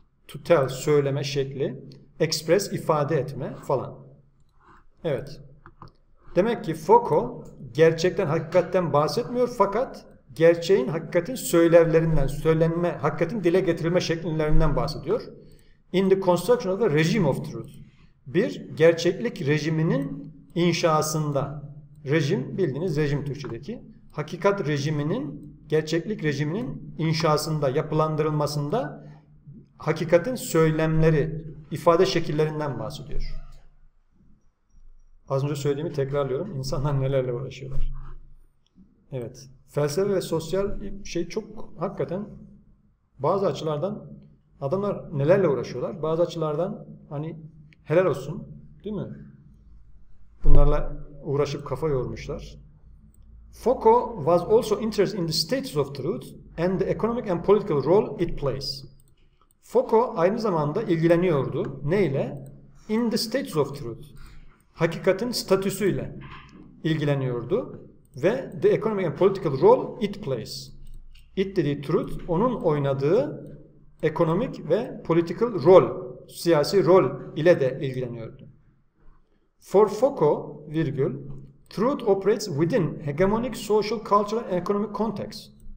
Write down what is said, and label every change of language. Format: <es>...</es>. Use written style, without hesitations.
<en>To tell,</en> <tr>söyleme şekli. Express, ifade etme falan. Evet. Demek ki Foucault gerçekten, hakikatten bahsetmiyor fakat gerçeğin, hakikatin söylevlerinden, söylenme, hakikatin dile getirilme şekillerinden bahsediyor.</tr> <en>In the construction of the regime of truth.</en> <tr>Bir, gerçeklik rejiminin inşasında. Rejim, bildiğiniz rejim Türkçedeki. Hakikat rejiminin, gerçeklik rejiminin inşasında, yapılandırılmasında hakikatin söylemleri, ifade şekillerinden bahsediyor. Az önce söylediğimi tekrarlıyorum. İnsanlar nelerle uğraşıyorlar. Evet. Felsefe ve sosyal şey çok hakikaten bazı açılardan adamlar nelerle uğraşıyorlar? Bazı açılardan hani helal olsun, değil mi? Bunlarla uğraşıp kafa yormuşlar.</tr> <en>Foucault was also interested in the status of truth and the economic and political role it plays.</en> <tr>Foucault aynı zamanda ilgileniyordu. Neyle?</tr> <en>In the status of truth.</en> <tr>Hakikatin statüsüyle ilgileniyordu.</tr> <en>Ve the economic and political role it plays.</en> <tr>It dediği truth, onun oynadığı ekonomik ve political rol, siyasi rol ile de ilgileniyordu.</tr> <en>For Foucault, virgül, truth operates within hegemonic social, cultural and economic context.</en>